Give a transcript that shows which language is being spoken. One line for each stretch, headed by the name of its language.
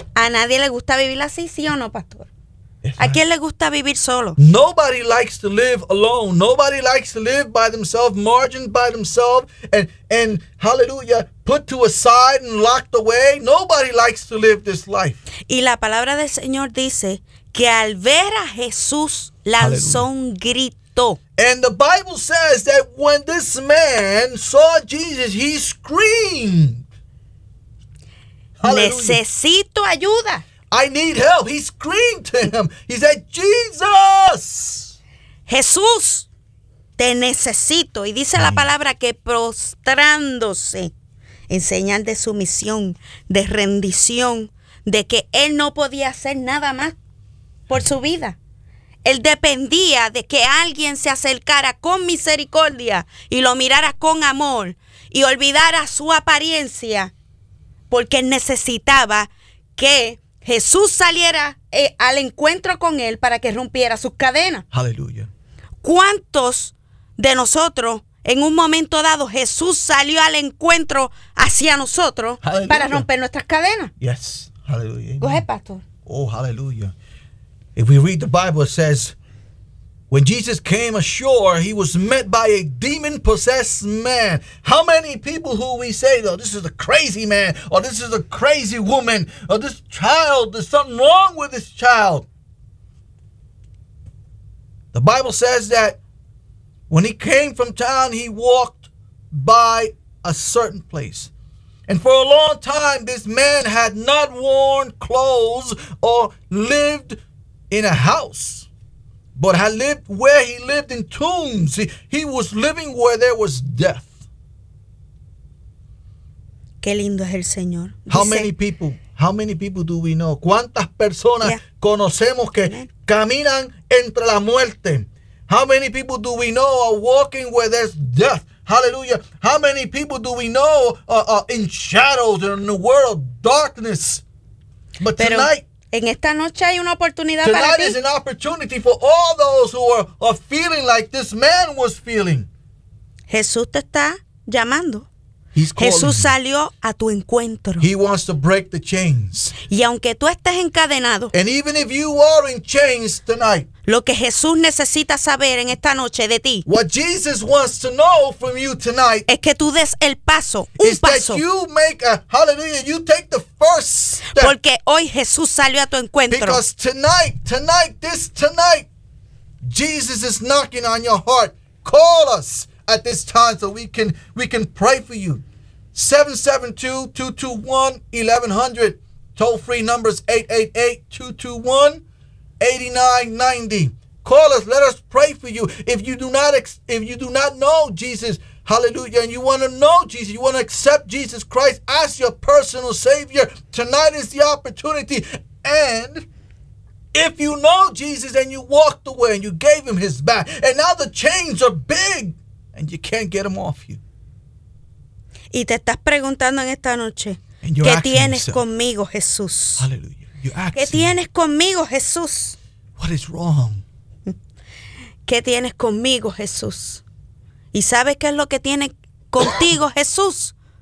Spanish: A nadie le gusta vivir así, sí o no, pastor. ¿A quién le gusta vivir solo?
English: Nobody likes to live alone. Nobody likes to live by themselves, margined by themselves, and hallelujah, put to a side and locked away. Nobody likes to live this life.
Spanish: Y la palabra del Señor dice que al ver a Jesús lanzó un grito.
English: And the Bible says that when this man saw Jesus, he screamed.
Spanish: Necesito ayuda.
English: I need help. He screamed to him. He said, Jesus.
Spanish: Jesús, te necesito. Y dice la palabra que prostrándose, en señal de sumisión, de rendición, de que él no podía hacer nada más por su vida. Él dependía de que alguien se acercara con misericordia y lo mirara con amor y olvidara su apariencia, porque necesitaba que Jesús saliera al encuentro con él para que rompiera sus cadenas.
English: Hallelujah.
Spanish: ¿Cuántos de nosotros, en un momento dado, Jesús salió al encuentro hacia nosotros, aleluya, para romper nuestras cadenas?
English: Yes, aleluya. Go ahead, Pastor. Oh, hallelujah. If we read the Bible, it says, when Jesus came ashore, he was met by a demon-possessed man. How many people who we say, though, this is a crazy man, or this is a crazy woman, or this child, there's something wrong with this child. The Bible says that when he came from town, he walked by a certain place. And for a long time, this man had not worn clothes or lived in a house, but had lived where he lived in tombs. He was living where there was death.
Spanish: Qué lindo es el Señor.
English: How many people do we know?
Spanish: ¿Cuántas personas conocemos que caminan entre la muerte?
English: How many people do we know are walking where there's death? Hallelujah. How many people do we know are in shadows and in the world of darkness? But tonight,
Spanish: en esta noche hay una oportunidad para ti.
English: Tonight is an opportunity for all those who are feeling like this man was feeling.
Spanish: Jesús te está llamando.
English: He's calling.
Spanish: Jesús salió a tu encuentro.
English: He wants to break the chains.
Spanish: Y aunque tú estés encadenado,
English: and even if you are in chains tonight,
Spanish: lo que Jesús necesita saber en esta noche de ti,
English: what Jesus wants to know from you tonight,
Spanish: es que tú des el paso, un paso.
English: That you make a hallelujah, you take the first step.
Spanish: Porque hoy Jesús salió a tu encuentro.
English: Because tonight, Jesus is knocking on your heart. Call us at this time so we can pray for you. 772-221-1100. Toll free numbers 888-221-8990. Call us, let us pray for you. If you do not know Jesus, hallelujah, and you want to know Jesus, you want to accept Jesus Christ as your personal Savior, tonight is the opportunity. And if you know Jesus and you walked away and you gave him his back, and now the chains are big and you can't get them off you.
Spanish: Y te estás preguntando en esta noche, ¿qué tienes conmigo, Jesús?
English: Hallelujah.
Spanish: ¿Qué tienes conmigo, Jesús?
English: What is wrong?
Spanish: ¿Qué tienes conmigo, Jesús? ¿Y sabes qué es lo que tiene contigo, Jesús?